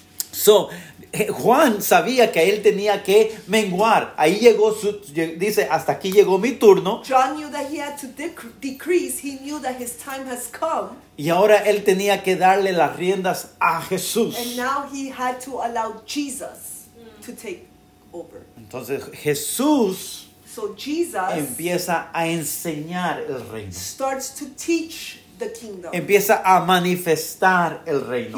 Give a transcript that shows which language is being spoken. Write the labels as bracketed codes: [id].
[es] So, Juan sabía que él tenía que menguar. Ahí llegó su, dice, hasta aquí llegó mi turno. [en] John knew that he had to decrease. He knew that his time has come. [es] Y ahora él tenía que darle las riendas a Jesús. [en] And now he had to allow Jesus to take over. [es] Entonces Jesús. [en] So Jesus. [es] Empieza a enseñar el reino. [en] Starts to teach the kingdom. [es] Empieza a manifestar el reino.